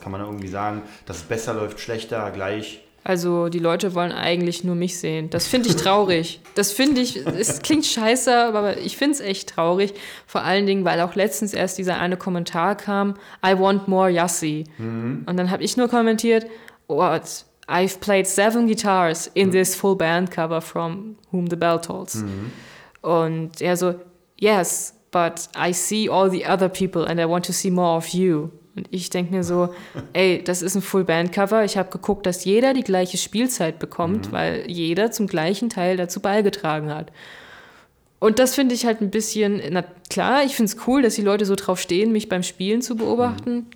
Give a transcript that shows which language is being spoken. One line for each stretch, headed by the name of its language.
German: Kann man da irgendwie sagen, dass es besser läuft, schlechter, gleich? Also die Leute wollen eigentlich nur mich sehen. Das finde ich traurig. Das finde ich, es klingt scheiße, aber ich finde es echt traurig. Vor allen Dingen, weil auch letztens erst dieser eine Kommentar kam,
English: I want more Yassi. Mhm.
German: Und dann habe ich nur kommentiert,
English: what? I've played 7 guitars in this full band cover from Whom the Bell Tolls. Mhm.
German: Und er so,
English: yes, but I see all the other people and I want to see more of you.
German: Und ich denke mir so, ey, das ist ein full band cover. Ich habe geguckt, dass jeder die gleiche Spielzeit bekommt, weil jeder zum gleichen Teil dazu beigetragen hat. Und das finde ich halt ein bisschen, na klar, ich finde es cool, dass die Leute so drauf stehen, mich beim Spielen zu beobachten. Mhm.